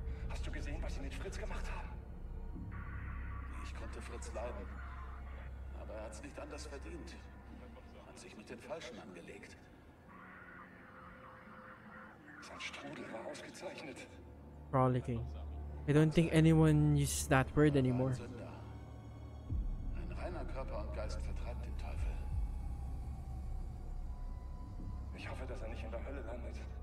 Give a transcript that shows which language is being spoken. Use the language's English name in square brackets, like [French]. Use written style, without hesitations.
[German] Hast du gesehen, was sie mit Fritz gemacht haben? Fritz leiden. Aber er hat's nicht anders verdient. Hat sich mit den Falschen angelegt. Sein Strudel war ausgezeichnet. [English] Frolicking. I don't think anyone uses that word anymore. [German] Ein reiner Körper und Geist vertreibt den Teufel. Ich hoffe, dass er nicht in der Hölle landet.